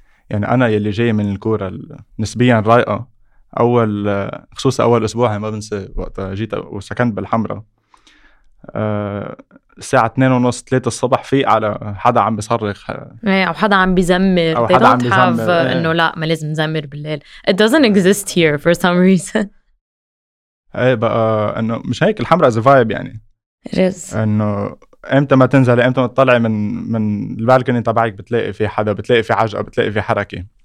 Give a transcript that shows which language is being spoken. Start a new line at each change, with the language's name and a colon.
Arabic: يعني أنا يلي جاي من الكورة نسبياً رايقة, أول خصوصا أول أسبوع ما بنسى وقت جيت وسكنت بالحمرا الساعة 2:30-3 الصبح في على حدا عم بيصرخ أو حدا عم بيزمر. أو حدا عم بيزمر.
English: They don't have
Arabic: إنه لا ما لازم نزمر بالليل.
English: It doesn't exist here for some reason.
Arabic: إيه بقى إنه مش هيك الحمرا
English: is a vibe
Arabic: يعني. انه امتى ما تنزل امتى ما تطلع من البالكوني تبعك بتلاقي في حدا, بتلاقي في عجقه, بتلاقي في حركه.